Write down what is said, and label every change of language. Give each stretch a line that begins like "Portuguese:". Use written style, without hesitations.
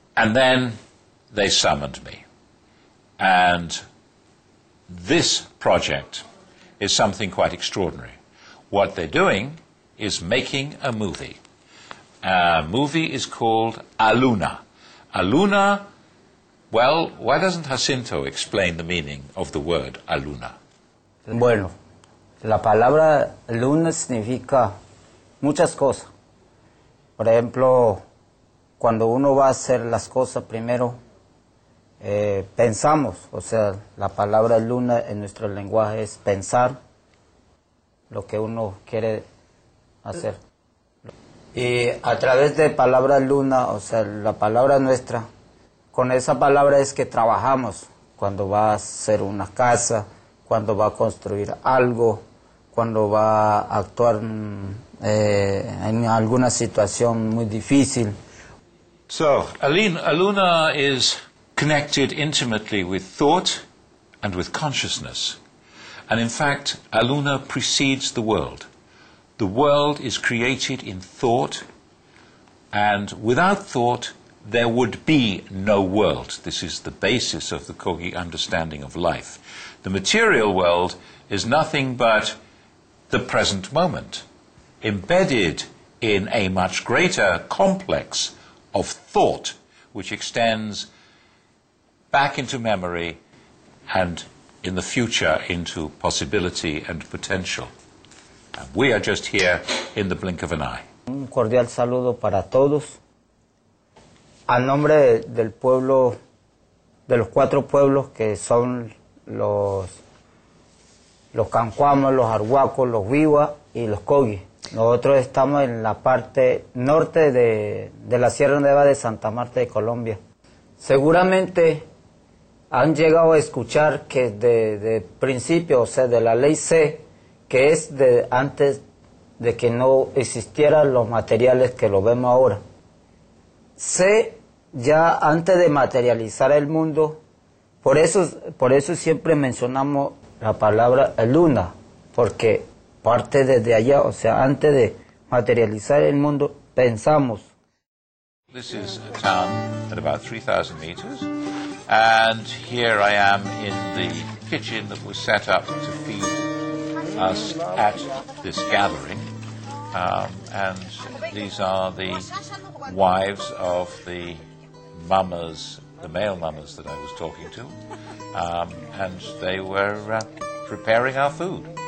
English: And then they summoned me. And this project is something quite extraordinary. What they're doing is making a movie. A movie is called Aluna. Aluna, well, why doesn't Jacinto explain the meaning of the word Aluna?
Spanish: Bueno, la palabra luna significa muchas cosas. Por ejemplo, cuando uno va a hacer las cosas primero, pensamos, o sea, la palabra luna en nuestro lenguaje es pensar lo que uno quiere hacer. Y a través de palabra luna, o sea, la palabra nuestra, con esa palabra es que trabajamos cuando va a hacer una casa, cuando va a construir algo, cuando va a actuar en alguna situación muy difícil.
English: So, Aluna is connected intimately with thought and with consciousness. And in fact, Aluna precedes the world. The world is created in thought, and without thought, there would be no world. This is the basis of the Kogi understanding of life. The material world is nothing but the present moment, embedded in a much greater complex of thought, which extends back into memory and in the future into possibility and potential. And we are just here in the blink of an eye.
Spanish: Un cordial saludo para todos. A nombre del pueblo, de los cuatro pueblos que son los cancuamos, los arhuacos, los wiwa y los kogi. Nosotros estamos en la parte norte de la Sierra Nevada de Santa Marta de Colombia. Seguramente han llegado a escuchar que de principio, o sea, de la ley C, que es de antes de que no existieran los materiales que lo vemos ahora. C, ya antes de materializar el mundo, por eso siempre mencionamos la palabra luna, porque parte desde allá, o sea, antes de materializar el mundo, pensamos.
English: This is a town at about 3,000 meters, and here I am in the kitchen that was set up to feed us at this gathering. And these are the wives of the mamas, the male mamas that I was talking to, and they were preparing our food.